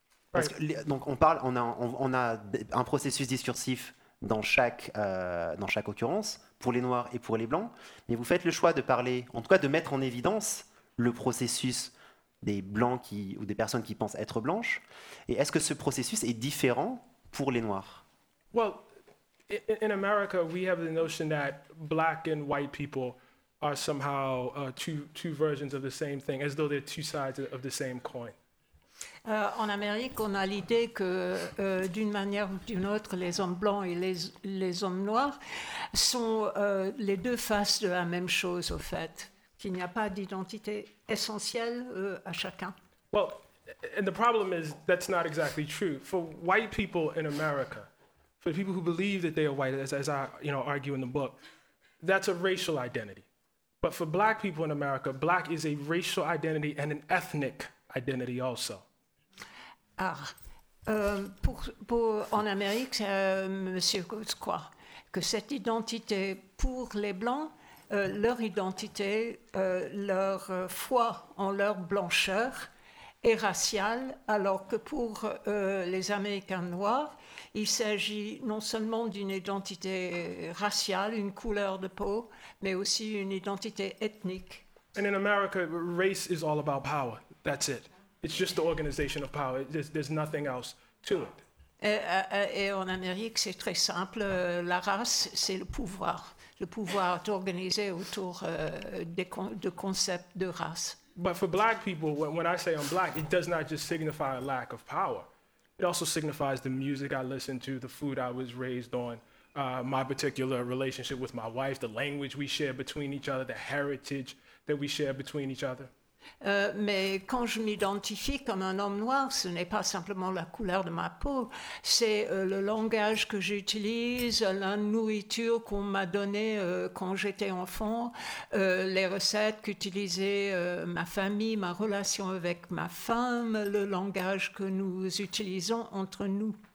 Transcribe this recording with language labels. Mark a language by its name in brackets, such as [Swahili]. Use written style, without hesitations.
[French] Parce que, donc on a un processus discursif dans chaque occurrence, pour les Noirs et pour les Blancs, mais vous faites le choix de parler, en tout cas de mettre en évidence le processus des Blancs ou des personnes qui pensent être blanches. Et est-ce que ce processus est différent pour les Noirs? [English] Well, in America, we have the notion that Black and white people are somehow two versions of the same thing, as though they're two sides of the same coin. [French] En Amérique, on a l'idée que, d'une manière ou d'une autre, les hommes blancs et les hommes noirs sont les deux faces de la même chose, au fait, qu'il n'y a pas d'identité essentielle à chacun. [English] Well, and the problem is that's not exactly true. For white people in America, for the people who believe that they are white, as I argue in the book, that's a racial identity. But for Black people in America, Black is a racial identity and an ethnic identity also. [French] En Amérique, Monsieur Coates croit que cette identité pour les Blancs, leur identité, leur foi en leur blancheur, et raciale, alors que pour les Américains noirs, il s'agit non seulement d'une identité raciale, une couleur de peau, mais aussi une identité ethnique. [English] And in America, race is all about power. That's it. It's just the organization of power. There's nothing else to it. [French] Et en Amérique, c'est très simple. La race, c'est le pouvoir. Le pouvoir d'organiser autour de concepts de race. [English] But for black people, when I say I'm black, it does not just signify a lack of power. It also signifies the music I listen to, the food I was raised on, my particular relationship with my wife, the language we share between each other, the heritage that we share between each other. [French] Mais quand je m'identifie comme un homme noir, ce n'est pas simplement la couleur de ma peau, c'est le langage que j'utilise, la nourriture qu'on m'a donnée quand j'étais enfant, les recettes qu'utilisait ma famille, ma relation avec ma femme, le langage que nous utilisons entre nous.